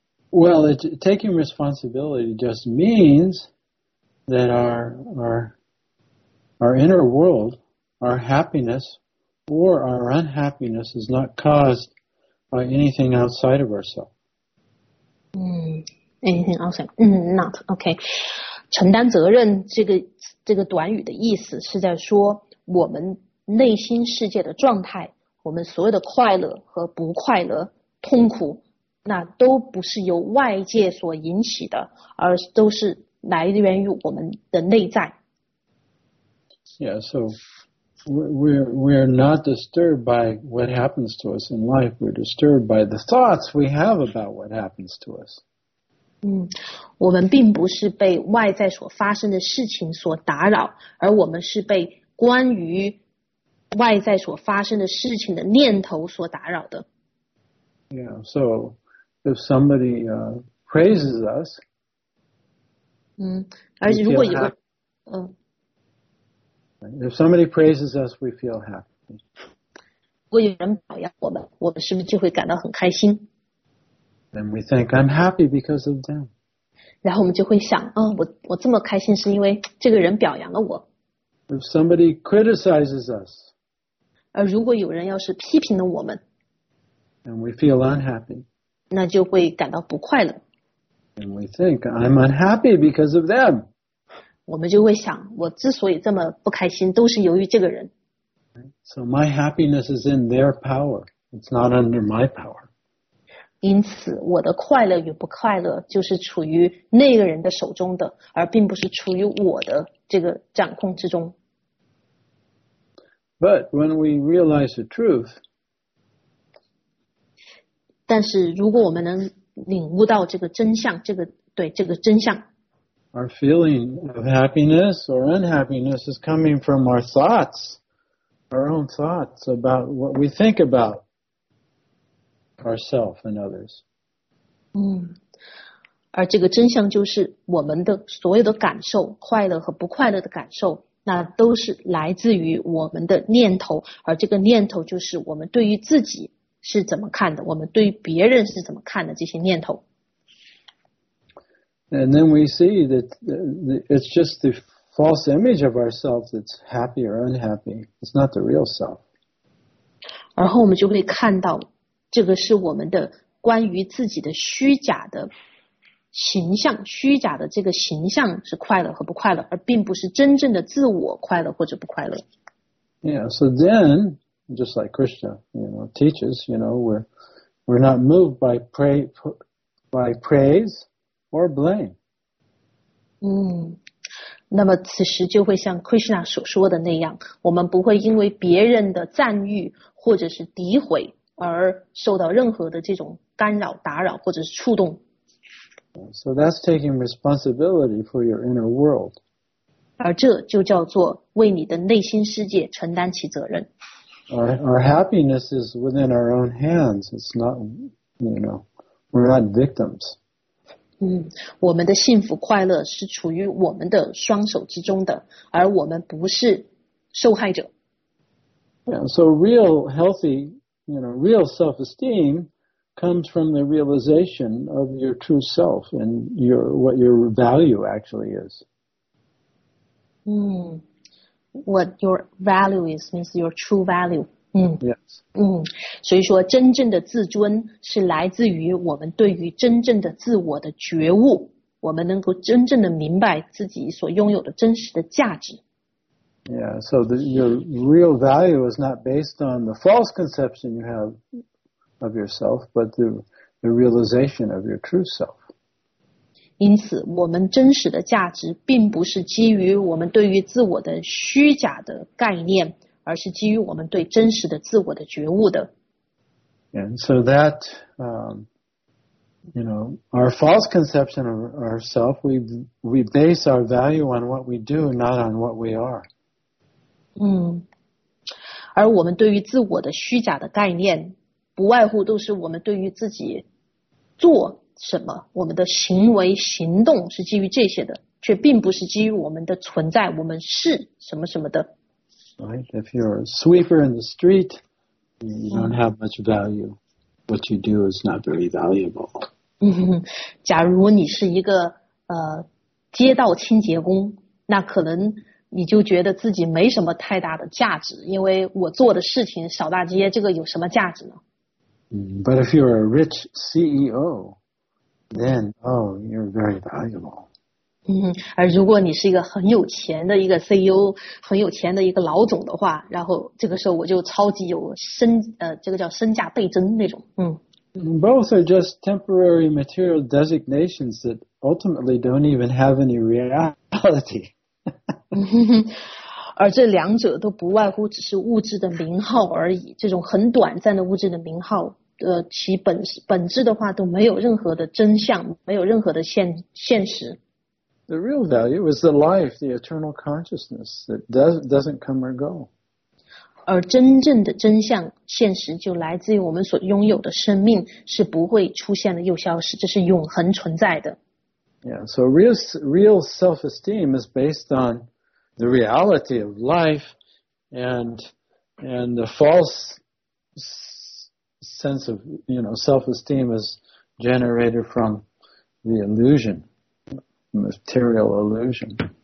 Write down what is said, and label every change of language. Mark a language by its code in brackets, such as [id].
[en] Well, taking responsibility just means that our inner world, our happiness, or our unhappiness is not caused by anything outside of ourselves. Anything outside? Not okay. [zh] 承担责任这个短语的意思是在说我们内心世界的状态，我们所有的快乐和不快乐、痛苦，那都不是由外界所引起的，而都是来源于我们的内在。 [en] Yeah, so we're not disturbed by what happens to us in life. We're disturbed by the thoughts we have about what happens to us. [zh] 我们并不是被外在所发生的事情所打扰，而我们是被关于外在所发生的事情的念头所打扰的。 [en] Yeah, so if somebody praises us, [zh] 而且如果有个 [en] If somebody praises us, we feel happy. [zh] 如果有人表扬我们，我们是不是就会感到很开心？ [en] And we think, I'm happy because of them. [zh] 然后我们就会想，哦，我这么开心是因为这个人表扬了我。 [en] If somebody criticizes us, [zh] 而如果有人要是批评了我们， [en] And we feel unhappy. [zh] 那就会感到不快乐。 [en] And we think, I'm unhappy because of them. [zh] 我们就会想，我之所以这么不开心，都是由于这个人。 [en] So my happiness is in their power. It's not under my power. [zh] 因此，我的快乐与不快乐就是处于那个人的手中的，而并不是处于我的这个掌控之中。 [en] But when we realize the truth, [zh] 但是如果我们能领悟到这个真相，这个真相。 [en] Our feeling of happiness or unhappiness is coming from our thoughts, our own thoughts about what we think about ourselves and others. [zh] 而这个真相就是我们的所有的感受，快乐和不快乐的感受，那都是来自于我们的念头，而这个念头就是我们对于自己是怎么看的，我们对于别人是怎么看的这些念头。 [en] And then we see that it's just the false image of ourselves that's happy or unhappy. It's not the real self. [zh] 然后我们就会看到，这个是我们的关于自己的虚假的形象，虚假的这个形象是快乐和不快乐，而并不是真正的自我快乐或者不快乐。 [en] Yeah, so then, just like Krishna, you know, teaches, you know, we're not moved by praise. Or blame. [zh] 那么此时就会像 Krishna 所说的那样，我们不会因为别人的赞誉或者是诋毁而受到任何的这种干扰、打扰或者是触动。 [en] So that's taking responsibility for your inner world. [zh] 而这就叫做为你的内心世界承担起责任。 [en] Our happiness is within our own hands. It's not, you know, we're not victims. [zh] 我们的幸福快乐是处于我们的双手之中的，而我们不是受害者。 [en] Yeah, so real healthy, you know, real self-esteem comes from the realization of your true self and your, what your value actually is. What your value is means your true value. Yes. [zh] 所以说真正的自尊是来自于我们对于真正的自我的觉悟，我们能够真正的明白自己所拥有的真实的价值。 [en] Yeah, so your real value is not based on the false conception you have of yourself, but the realization of your true self. [zh] 因此我们真实的价值并不是基于我们对于自我的虚假的概念，而是基于我们对真实的自我的觉悟的。 [en] And so that, you know, our false conception of ourselves, we base our value on what we do, not on what we are. [zh] 而我们对于自我的虚假的概念，不外乎都是我们对于自己做什么，我们的行为行动是基于这些的，却并不是基于我们的存在，我们是什么什么的。 [en] Right. If you're a sweeper in the street, you don't have much value. What you do is not very valuable. [zh] 假如你是一个街道清洁工，那可能你就觉得自己没什么太大的价值，因为我做的事情扫大街，这个有什么价值呢？ [en] But if you're a rich CEO, then, oh, you're very valuable. [zh] 嗯，而如果你是一个很有钱的一个 CEO, 很有钱的一个老总的话，然后这个时候我就超级有身，这个叫身价倍增那种，嗯。 [en] Both are just temporary material designations that ultimately don't even have any reality. [zh] 而这两者都不外乎只是物质的名号而已，这种很短暂的物质的名号，其本质的话都没有任何的真相，没有任何的现实。 [en] The real value is the life, the eternal consciousness that doesn't come or go. [zh] 而真正的真相现实就来自于我们所拥有的生命是不会出现的又消失，这是永恒存在的。 [en] Yeah, so real self-esteem is based on the reality of life and the false sense of, you know, self-esteem is generated from the illusion, material illusion.